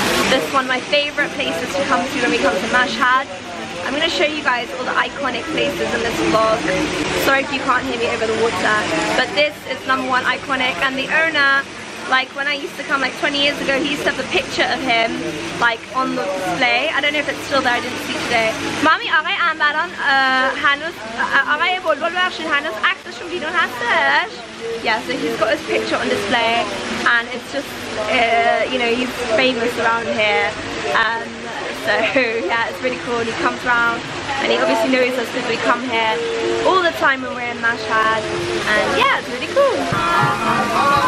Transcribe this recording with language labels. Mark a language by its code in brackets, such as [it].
[en] This one, my favorite places to come to when we come to Mashhad. I'm going to show you guys all the iconic places in this vlog. Sorry if you can't hear me over the water, but this is number one iconic, and the owner, like when I used to come like 20 years ago, he used to have a picture of him like on the display. I don't know if it's still there, I didn't see today. [fa] Mami, آقای انبران هنوز آقای بلبل بخشید هنوز عکسشون بیرون هستش. [en] Yeah, so he's got his picture on display, and it's just you know, he's famous around here. So yeah, it's really cool. He comes around and he obviously knows us because we come here all the time when we're in Mashhad, and yeah, it's really cool.